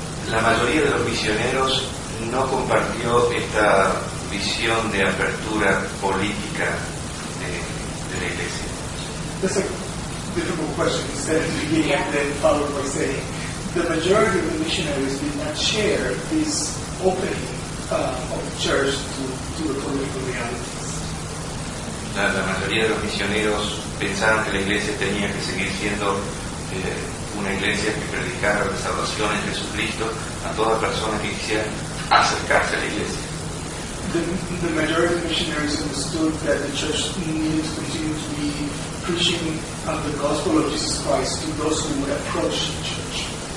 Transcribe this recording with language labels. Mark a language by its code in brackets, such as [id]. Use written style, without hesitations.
[es] La mayoría de los misioneros no compartió esta visión de apertura política de la iglesia. [en] That's a difficult question. Instead of beginning and then followed by saying, the majority of the missionaries did not share this opening of the church to the political realities. [es] La mayoría de los misioneros pensaron que la iglesia tenía que seguir siendo una iglesia que predicara la salvación en Jesucristo a toda persona que quisiera acercarse a la iglesia. [en] The majority of missionaries understood that the church needs to continue to be preaching the gospel of Jesus Christ to those who would approach the church.